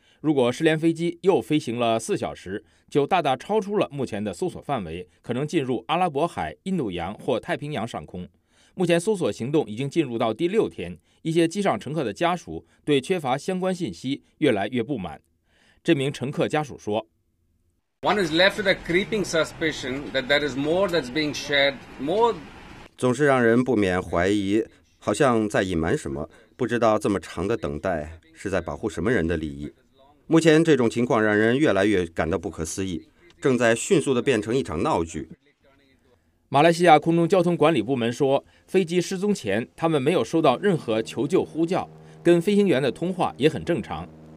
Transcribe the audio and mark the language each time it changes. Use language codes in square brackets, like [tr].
[zh] 如果失联飞机又飞行了4小时，就大大超出了目前的搜索范围，可能进入阿拉伯海、印度洋或太平洋上空。目前搜索行动已经进入到第6天，一些机上乘客的家属对缺乏相关信息越来越不满。这名乘客家属说 [en] ：“One is left with a creeping suspicion that there is more that's being shared, more。” [zh] 总是让人不免怀疑，好像在隐瞒什么，不知道这么长的等待是在保护什么人的利益。目前这种情况让人越来越感到不可思议，正在迅速地变成一场闹剧。马来西亚空中交通管理部门说，飞机失踪前他们没有收到任何求救呼叫，跟飞行员的通话也很正常。